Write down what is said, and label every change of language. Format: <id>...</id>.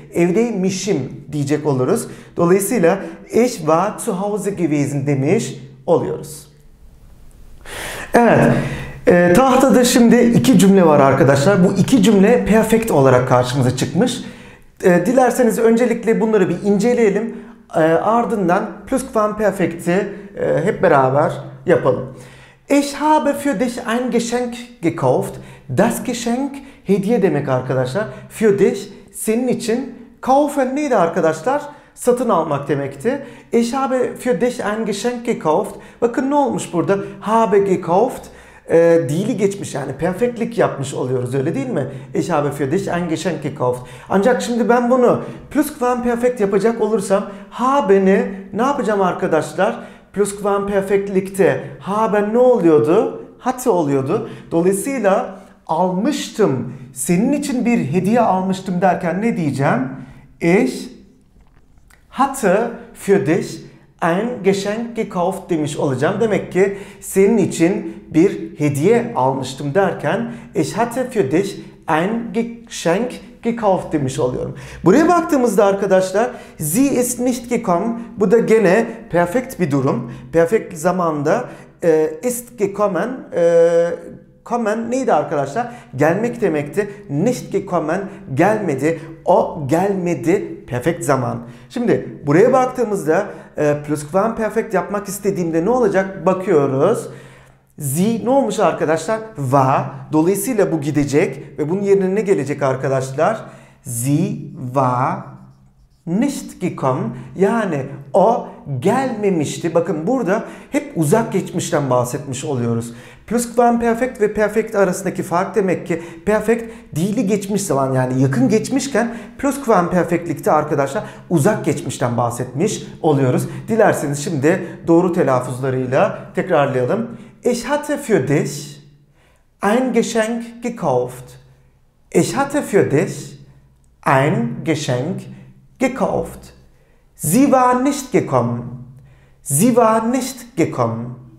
<tr>Evdeymişim diyecek oluruz. Dolayısıyla</tr> <de>ich war zu Hause gewesen</de> <tr>demiş oluyoruz. Evet. Tahtada şimdi iki cümle var arkadaşlar. Bu iki cümle perfect olarak karşımıza çıkmış. Dilerseniz öncelikle bunları bir inceleyelim. Ardından plusquamperfekti hep beraber yapalım.</tr> <de>Ich habe für dich ein Geschenk gekauft.</de> <tr>Das Geschenk hediye demek arkadaşlar.</tr> <de>Für dich</de> <tr>senin için. Kaufen neydi arkadaşlar? Satın almak demekti.</tr> <de>Ich habe für dich ein Geschenk gekauft.</de> <tr>Bakın ne olmuş burada?</tr> <de>Habe gekauft.</de> <tr>Dili geçmiş, yani perfektlik yapmış oluyoruz, öyle değil mi?</tr> <de>Ich habe für dich ein Geschenk gekauft.</de> <tr>Ancak şimdi ben bunu plusquamperfekt yapacak olursam habe'ni ne yapacağım arkadaşlar? Plusquamperfektlikte habe ne oluyordu? Hatte oluyordu. Dolayısıyla almıştım, senin için bir hediye almıştım derken ne diyeceğim?</tr> <de>Ich hatte für dich ein Geschenk gekauft</de> <tr>demiş olacağım. Demek ki senin için bir hediye almıştım derken</tr> <de>ich hatte für dich ein Geschenk gekauft</de> <tr>demiş oluyorum. Buraya baktığımızda arkadaşlar</tr> <de>sie ist nicht gekommen.</de> <tr>Bu da gene perfect bir durum. Perfect zamanda</tr> <de>ist gekommen.</de> <tr>Kommen neydi arkadaşlar? Gelmek demekti.</tr> <de>Nicht gekommen,</de> <tr>gelmedi. O gelmedi. Perfect zaman. Şimdi buraya baktığımızda plusquamperfekt yapmak istediğimde ne olacak? Bakıyoruz. Sie ne olmuş arkadaşlar? War. Dolayısıyla bu gidecek. Ve bunun yerine ne gelecek arkadaşlar?</tr> <de>Sie war nicht gekommen.</de> <tr>Yani o gelmemişti. Bakın burada hep uzak geçmişten bahsetmiş oluyoruz. Plusquamperfekt ve perfect arasındaki fark demek ki perfect dili geçmiş zaman, yani yakın geçmişken plusquamperfektlikte arkadaşlar uzak geçmişten bahsetmiş oluyoruz. Dilerseniz şimdi doğru telaffuzlarıyla tekrarlayalım.</tr> <de>Ich hatte für dich ein Geschenk gekauft. Ich hatte für dich ein Geschenk gekauft. Sie waren nicht gekommen. Sie waren nicht gekommen.</de>